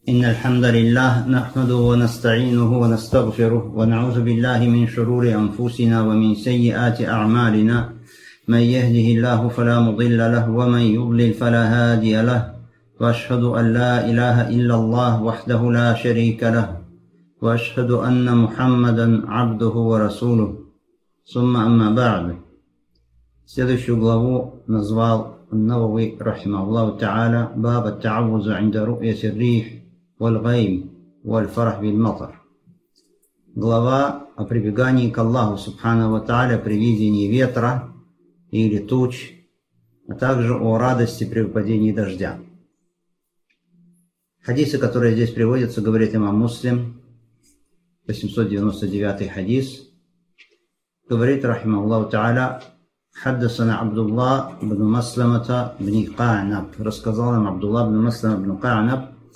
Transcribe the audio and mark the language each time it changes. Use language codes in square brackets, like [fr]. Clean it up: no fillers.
[ar] إن الحمد لله نحمده ونستعينه ونستغفره ونعوذ بالله من شرور أنفسنا ومن سيئات أعمالنا من يهده الله فلا مضل له ومن يضلل فلا هادي له وأشهد أن لا إله إلا الله وحده لا شريك له وأشهد أن محمدا عبده ورسوله ثم أما بعد [ru] Следующую главу назвал [ar] النووي رحمه الله تعالى باب التعوذ عند رؤية الريح والغيم والفرح بالمطر. [ru] Глава о прибегании к Аллаху Субханаху Тааля при видении ветра или туч, а также о радости при выпадении дождя. Хадисы, которые здесь приводятся, говорит имам Муслим, 899 хадис, говорит [ar] رحمه الله تعالى حدثنا عبد الله بن مسلمة بن قعنب [ru] рассказал нам عبد الله بن مسلمة بن قعنب.